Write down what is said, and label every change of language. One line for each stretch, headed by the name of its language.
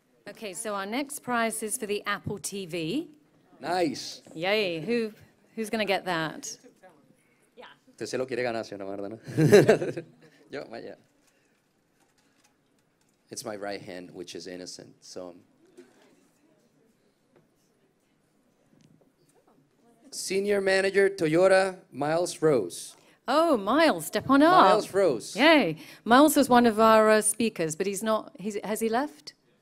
English: Okay, so our next prize is for the Apple TV. Nice. Yay, who's gonna get that? Yeah.
Spanish: Usted se lo quiere ganar, señora Marta, ¿no? Yo, vaya.
English: It's my right hand, which is innocent, so. Senior Manager, Toyota, Miles Rose. Oh, Miles, step on Miles up. Miles Rose. Yay. Miles was one of our speakers, but he's not, has he left?